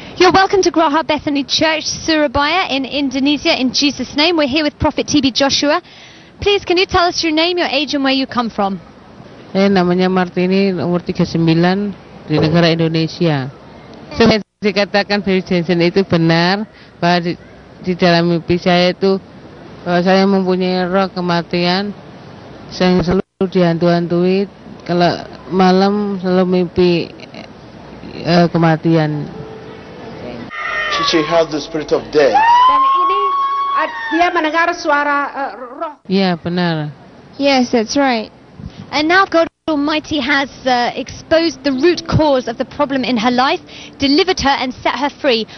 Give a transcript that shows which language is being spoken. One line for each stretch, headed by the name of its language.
English: Welcome to Graha Bethany Church, Surabaya in Indonesia, in Jesus' name. We're here with Prophet T.B. Joshua. Please, can you tell us your name, your age, and where you come from?
Indonesian: Hey, namanya Martini, umur 39, di negara Indonesia. Saya dikatakan dari Jensen itu benar, bahwa di dalam mimpi saya itu, bahwa saya mempunyai roh kematian, saya selalu dihantu-hantui, kalau malam selalu mimpi kematian.
English: She has the spirit of death.
Indonesian: Dan ini dia mendengar suara roh. Yeah, benar.
English: Yes, that's right. And now God Almighty has exposed the root cause of the problem in her life, delivered her and set her free.